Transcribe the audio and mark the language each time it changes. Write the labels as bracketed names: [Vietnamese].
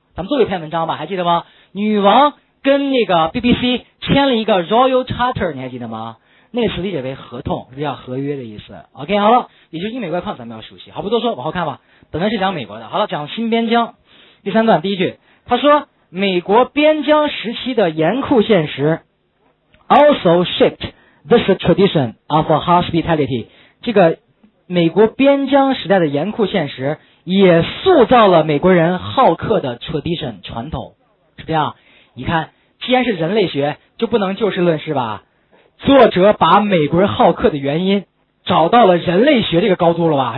[Chinese] 咱们做一篇文章吧，还记得吗？女王跟那个 BBC 签了一个 Royal Charter， 你还记得吗？那个词理解为合同，是叫合约的意思。OK， 好了，也就英美概况咱们要熟悉。好，不多说，往后看吧。本来是讲美国的，好了，讲新边疆。第三段第一句，他说美国边疆时期的严酷现实。 [English] Also shaped this tradition of hospitality. [Chinese] 这个美国边疆时代的严酷现实也塑造了美国人好客的 tradition 传统，是这样。你看，既然是人类学，就不能就事论事吧？作者把美国人好客的原因找到了人类学这个高度了吧？